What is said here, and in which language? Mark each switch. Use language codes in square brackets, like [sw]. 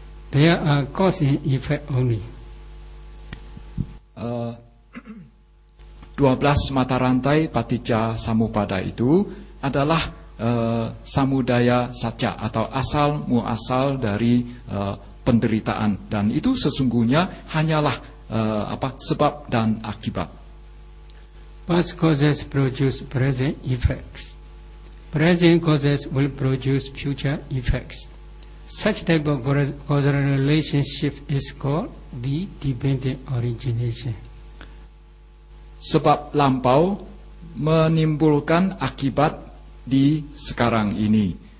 [en] There are cause and effect only. [id] 12 mata rantai paticca samupada itu adalah Samudaya Sajja, atau asal muasal dari penderitaan, dan itu sesungguhnya hanyalah sebab dan akibat. [en] Past causes produce present effects. Present causes will produce future effects. Such type of causal relationship is called the dependent origination. [id] Sebab lampau menimbulkan akibat di sekarang ini.